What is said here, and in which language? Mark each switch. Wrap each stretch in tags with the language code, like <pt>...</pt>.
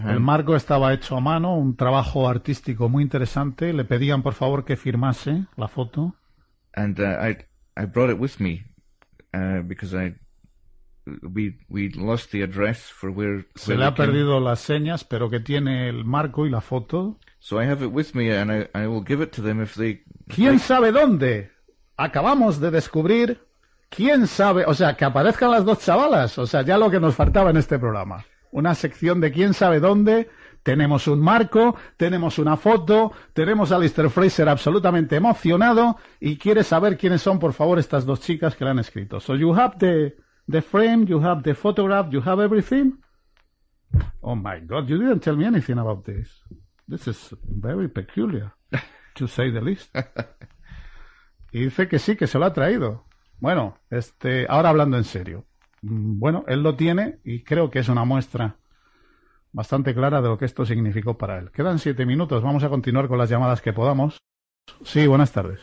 <es>El marco estaba hecho a mano, un trabajo artístico muy interesante. Le pedían, por favor, que firmase la foto.</es> <en>And I brought it with me. Because we lost the address for where</en> <es>se le ha perdido las señas, pero que tiene el marco y la foto.</es> <en>So I have it with me, and I will give it to them if they.</en> <es>¿Quién sabe dónde? Acabamos de descubrir. ¿Quién sabe? O sea, que aparezcan las dos chavalas. O sea, ya lo que nos faltaba en este programa. Una sección de quién sabe dónde. Tenemos un marco, tenemos una foto, tenemos a Alistair Fraser absolutamente emocionado y quiere saber quiénes son, por favor, estas dos chicas que le han escrito.</es> <en>So you have the frame, you have the photograph, you have everything. Oh my God, you didn't tell me anything about this. This is very peculiar. to say the least.</en> <es>Y dice que sí, que se lo ha traído. Bueno, ahora hablando en serio. Bueno, él lo tiene y creo que es una muestra bastante clara de lo que esto significó para él. Quedan 7 minutos, vamos a continuar con las llamadas que podamos. Sí, buenas tardes.</es>